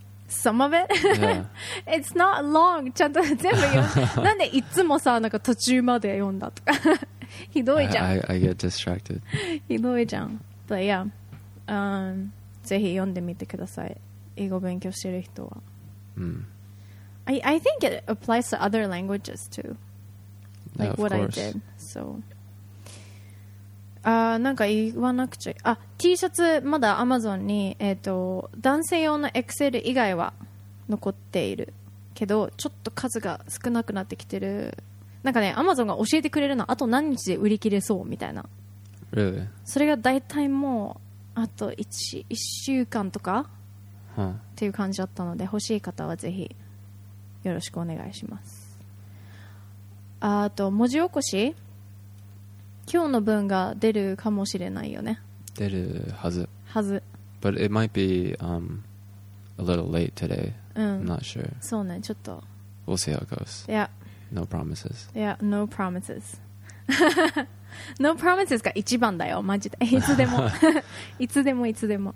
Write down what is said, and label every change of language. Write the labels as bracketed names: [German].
[English] Some of it? Yeah. It's not long. [Japanese] ちゃんと全部読んで。なんでいつもさ、なんか途中まで読んだとか。ひどいじゃん。 [English] I get distracted. [Japanese] ひどいじゃん。 [English] But yeah. [Japanese] ぜひ読んでみてください。英語勉強してる人は。 [English] I think it applies to other languages too. Like yeah, what、 course. I did. So. [Japanese] なんか言わなくちゃ。あ、T シャツまだ Amazon に、男性用の XL 以外は残っているけど、ちょっと数が少なくなってきてる。なんかね、Amazon が教えてくれるの、あと何日で売り切れそうみたいな。 [English] Really? [Japanese] それが大体もうあと 1週間とか、huh. っていう感じだったので、欲しい方はぜひよろしくお願いします。あと文字起こし、今日の文が出るかもしれないよね。出るはず。はず。 [English] But it might be a little late today. I'm not sure. [Japanese] そうね、ちょっと。 [English] We'll see how it goes. Yeah. No promises. Yeah, no promises. No promises [Japanese] が一番だよ、マジで。いつでも。いつでもいつでも。